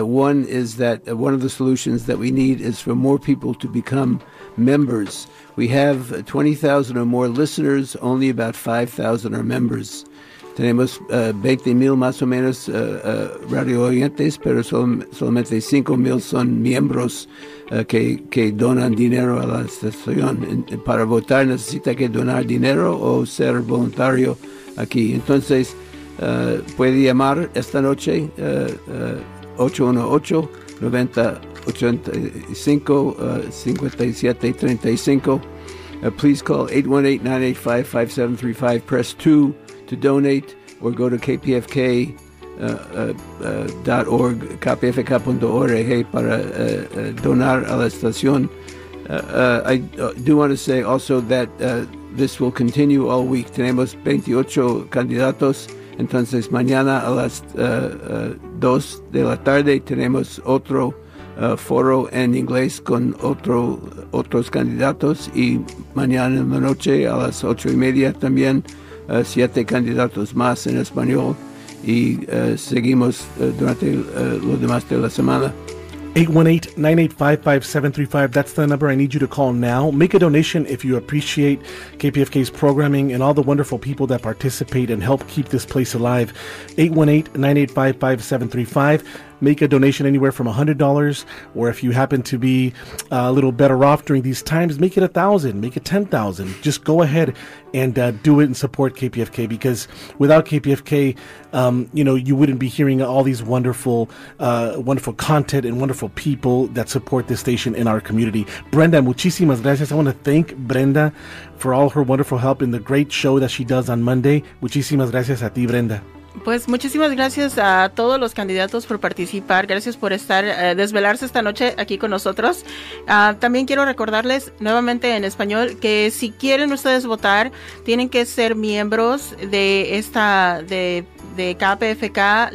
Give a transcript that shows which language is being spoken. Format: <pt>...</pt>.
<en>One is that one of the solutions that we need is for more people to become members. We have 20,000 or more listeners, only about 5,000 are members.</en> <es>Tenemos 20,000 más o menos radio oyentes, pero solamente 5,000 son miembros que donan dinero a la estación. Para votar necesita que donar dinero o ser voluntario aquí. Entonces, puede llamar esta noche 818-9085-5735.</es> <en>Please call 818-985-5735. Press 2 to donate or go to kpfk.org, kpfk.org</en> <es>para donar a la estación.</es> <en>I do want to say also that this will continue all week.</en> <es>Tenemos 28 candidatos. Entonces, mañana a las 2 de la tarde tenemos otro foro en inglés con otros candidatos y mañana en la noche a las 8:30 también 7 candidatos más en español y seguimos durante los demás de la semana. 818-985-5735.</es> <en>That's the number I need you to call now. Make a donation if you appreciate KPFK's programming and all the wonderful people that participate and help keep this place alive. 818-985-5735. Make a donation anywhere from $100, or if you happen to be a little better off during these times, make it $1,000, make it $10,000. Just go ahead and do it and support KPFK, because without KPFK, you know, you wouldn't be hearing all these wonderful, wonderful content and wonderful people that support this station in our community. Brenda,</en> <es>muchísimas gracias.</es> <en>I want to thank Brenda for all her wonderful help in the great show that she does on Monday.</en> <es>Muchísimas gracias a ti, Brenda. Pues muchísimas gracias a todos los candidatos por participar, gracias por estar desvelarse esta noche aquí con nosotros. También quiero recordarles nuevamente en español que si quieren ustedes votar, tienen que ser miembros de esta de KPFK.</es>